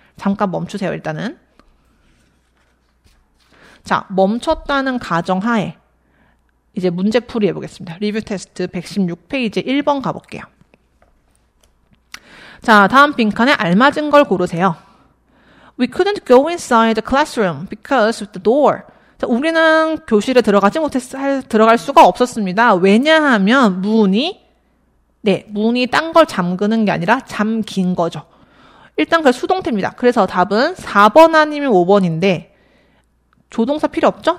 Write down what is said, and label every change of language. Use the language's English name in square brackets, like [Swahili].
[Korean] 잠깐 멈추세요, 일단은. 자, 멈췄다는 가정하에 이제 문제 풀이 해보겠습니다. 리뷰 테스트 116페이지 1번 가볼게요. 자, 다음 빈칸에 알맞은 걸 고르세요. [English] We couldn't go inside the classroom because of the door. [Korean] 자, 우리는 교실에 들어가지 들어갈 수가 없었습니다. 왜냐하면 문이 딴 걸 잠그는 게 아니라 잠긴 거죠. 일단 그 수동태입니다. 그래서 답은 4번 아니면 5번인데 조동사 필요 없죠?